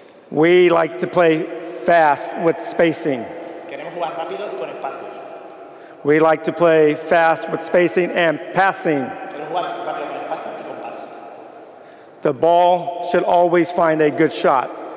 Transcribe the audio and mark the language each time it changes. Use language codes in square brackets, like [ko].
[en] We like to play fast with spacing. [es] Queremos jugar rápido y con espacio. [en] We like to play fast with spacing and passing. [es] Queremos jugar rápido con espacio y con paso. [en] The ball should always find a good shot.